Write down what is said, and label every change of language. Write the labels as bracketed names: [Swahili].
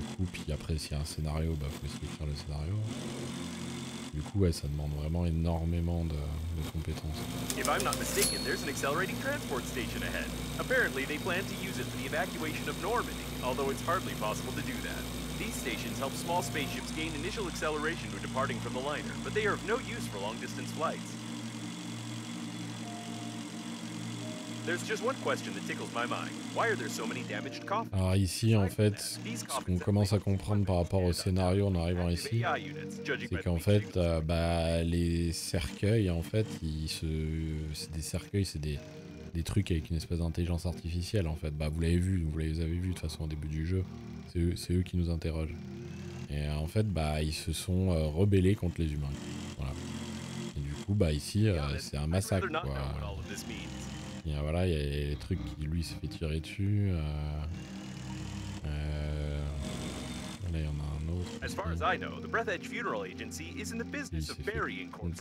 [French] Puis après s'il y a un scénario, bah faut essayer de faire le scénario. Du coup ouais, ça demande vraiment énormément de compétences. [English] If I'm not mistaken, there's an accelerating transport station ahead. Apparently they plan to use it for the evacuation of Normandy, although it's hardly possible to do that. These stations help small spaceships gain initial acceleration when departing from the liner, but they are of no use for long distance flights. There's just one question that tickles my mind. Why are there so many damaged coffins? [French] Alors ici en fait, ce qu'on commence à comprendre par rapport au scénario en arrivant ici, c'est qu'en fait les cercueils en fait, c'est des cercueils, c'est des trucs avec une espèce d'intelligence artificielle en fait. Bah vous les avez vus de toute façon au début du jeu. C'est eux qui nous interrogent. Et en fait, ils se sont rebellés contre les humains. Voilà. Et du coup, ici c'est un massacre quoi. Et voilà, il y a des trucs qui lui se fait tirer dessus. Là, il y en a un autre. [English] As far as I know, the Breath Edge Funeral Agency is in the business of burying corpses.